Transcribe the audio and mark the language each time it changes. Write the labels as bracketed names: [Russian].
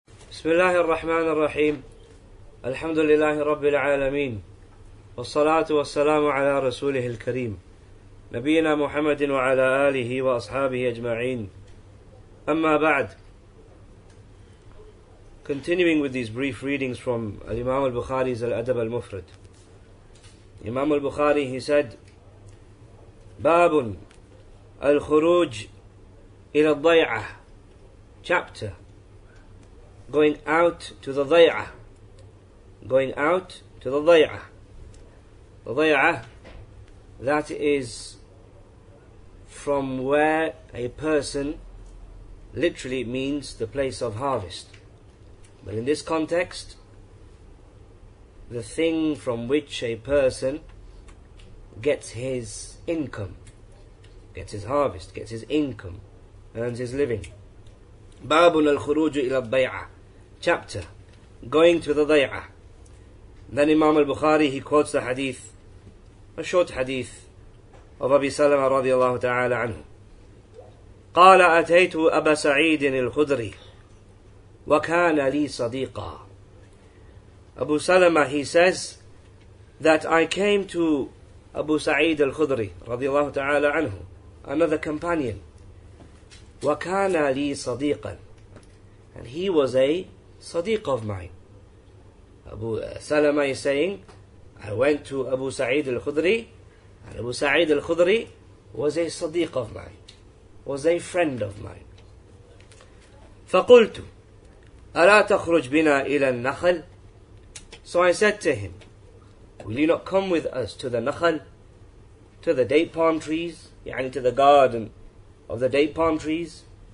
[Arabic] بسم الله الرحمن الرحيم الحمد لله رب العالمين والصلاة والسلام على رسوله الكريم نبينا محمد وعلى آله وأصحابه أجمعين أما بعد. [English] Continuing with these brief readings from Imam al-Bukhari's Al-Adab al-Mufrad. Imam al-Bukhari, he said, [Arabic] باب الخروج إلى الضيعة. [English] Chapter, going out to the ضيعة. Going out to the ضيعة. The ضيعة, that is from where a person, literally means the place of harvest. But in this context, the thing from which a person gets his income, gets his harvest, gets his income, earns his living. [Arabic] بابن الخروج إلى الضيعة. [English] Chapter, going to the ضيعة. Then Imam al-Bukhari, he quotes the hadith, a short hadith of Abi Salama رضي الله تعالى عنه. [Arabic] قال أتيت أبا سعيد الخدري وكان لي صديقا. [English] Abu Salama, he says that I came to Abu Sa'id al-Khudri رضي الله تعالى عنه, another companion. [Arabic] وكان لي صديقا, [English] and he was a صديق of mine. Abu Salama is saying, I went to Abu Sa'id al-Khudri, and Abu Sa'id al-Khudri was a صديق of mine, was a friend of mine. [Arabic] فقلت ألا تخرج بنا إلى النخل. [English] So I said to him, will you not come with us to the نخل, to the date palm trees, يعني to the garden of the date palm trees.